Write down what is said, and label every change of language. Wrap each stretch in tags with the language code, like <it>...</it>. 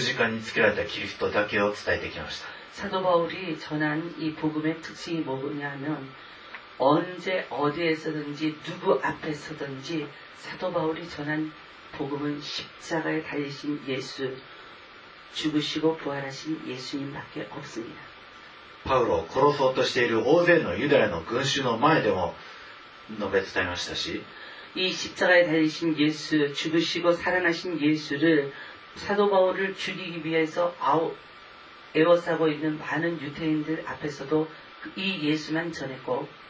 <ko>바울은</ko> <ja>いつでもどこでも愚直なまでに十字架につけられたキリストだけを伝えてきました</ja> <ko>사도 바울이 전한 이 복음의 특징이 뭐냐면 언제 어디에서든지 누구 앞에서든지 사도 바울이 전한 복음은 십자가에 달리신 예수 죽으시고 부활하신 예수님밖에 없습니다. 바울을</ko> <ja>殺そうとしている大勢のユダヤの群衆の前でも述べ伝えましたし</ja> <ko>이 십자가에 달리신 예수 죽으시고 살아나신 예수를 사도 바울을 죽이기 위해서 애워싸고 있는 많은 유태인들 앞에서도 이 예수만 전했고</ko>